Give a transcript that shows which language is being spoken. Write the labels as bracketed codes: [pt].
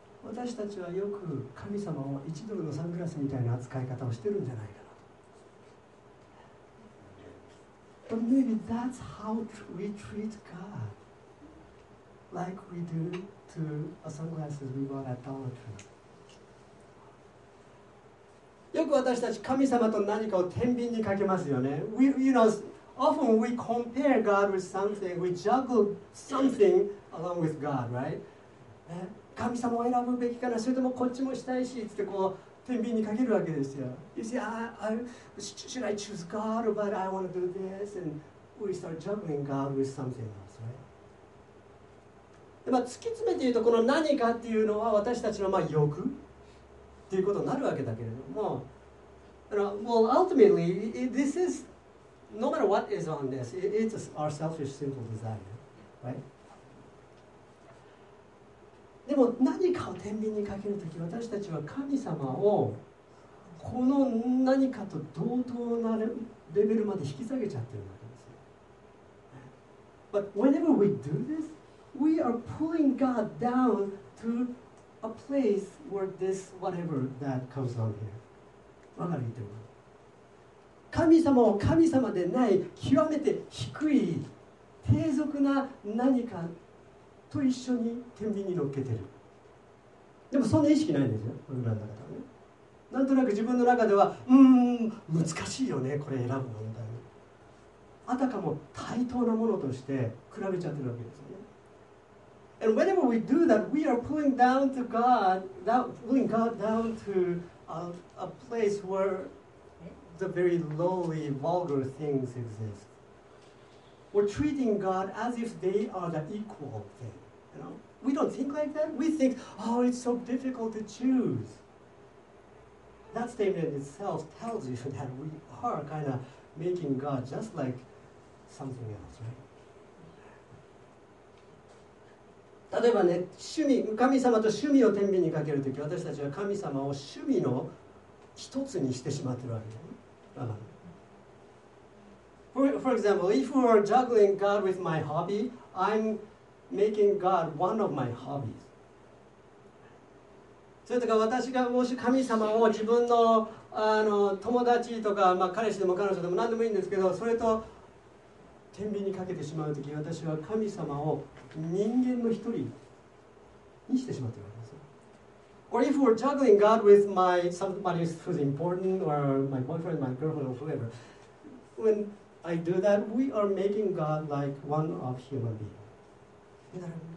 [ja] 私たちはよく神様を1ドルのサングラスみたいな扱い方をしてるんじゃないか。 [en] But maybe that's how we treat God, like we do to a sunglasses we bought at Dollar Tree. [ja] よく私たち神様と何かを天秤にかけますよね。 [en] We, you know, often we compare God with something, we juggle something along with God, right? [ja] 神様を選ぶべきかな、それともこっちもしたいし、ってこう天秤にかけるわけですよ。 [en] You see, should I choose God, but I want to do this? And we start juggling God with something else, right? [ja] 突き詰めて言うと、この何かっていうのは私たちのまあ欲っていうことになるわけだけれども、 [en] Well, ultimately, this is, no matter what is on this, it's our selfish, simple desire, right? [ja] でも何かを天秤にかけるとき、私たちは神様をこの何かと同等なレベルまで引き下げちゃってるわけですよ。 [en] But whenever we do this, we are pulling God down to a place where this whatever that comes on here. [ja] わかる言ってる。神様を神様でない極めて低い低俗な何かと一緒に天秤に乗っけてる。でもそんな意識ないんですよ、裏の方はね。なんとなく自分の中では、難しいよね、これ選ぶ問題。あたかも対等なものとして比べちゃってるわけですよね。 [en] And whenever we do that, we are pulling down to God, pulling God down to a place where the very lowly, vulgar things exist. We're treating God as if they are the equal thing. You know? We don't think like that. We think, oh, it's so difficult to choose. That statement itself tells you that we are kind of making God just like something else, right? [ja] 例えばね、趣味、神様と趣味を天秤にかけるとき、私たちは神様を趣味の一つにしてしまってるわけだよね。 [en] For example, if we are juggling God with my hobby, I'm making God one of my hobbies. [ja] それとか私がもし神様を自分 の, あの友達とか、まあ、彼氏でも彼女でも何でもいいんですけど、それと天秤にかけてしまうとき、私は神様を人間の一人にしてしまっています。 [en] Or if we're juggling God with my somebody who's important, or my boyfriend, my girlfriend, or whoever, whenI do that, we are making God like one of human beings.